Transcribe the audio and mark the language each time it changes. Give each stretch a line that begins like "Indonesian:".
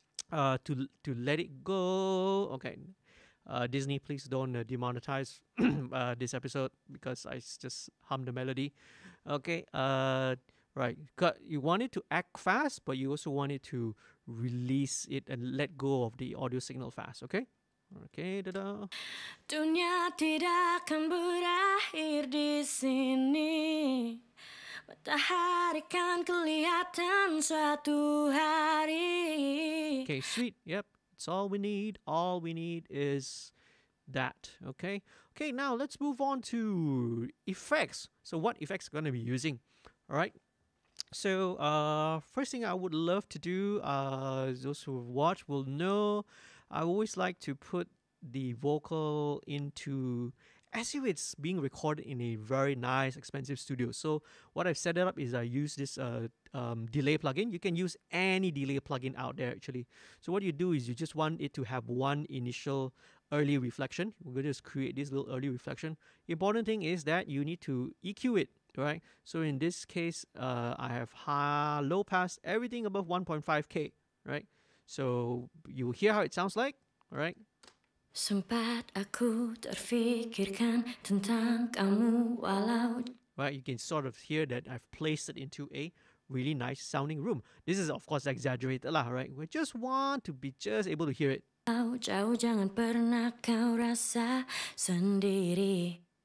English: To let it go. Okay. Disney, please don't demonetize this episode because I just hummed the melody. Okay. Right. You want it to act fast, but you also want it to release it and let go of the audio signal fast. Okay. Okay, da-da.
Malay: Dunia tidak akan berakhir di sini. Matahari kan kelihatan suatu hari.
English: Okay, sweet. Yep, it's all we need. All we need is that. Okay. Okay, now let's move on to effects. So what effects are going to be using? All right. So first thing I would love to do, those who watch will know, I always like to put the vocal into as if it's being recorded in a very nice expensive studio. So what I've set it up is I use this delay plugin. You can use any delay plugin out there actually. So what you do is you just want it to have one initial early reflection. We're going to just create this little early reflection. Important thing is that you need to EQ it, right? So in this case, I have low pass, everything above 1.5k, right? So you will hear how it sounds like, all right?
Malay: Sempat aku terfikirkan tentang kamu walau.
English: Right, you can sort of hear that I've placed it into a really nice sounding room. This is of course exaggerated lah, right? We just want to be just able to hear it.
Malay: Jauh jangan pernah kau rasa sendiri.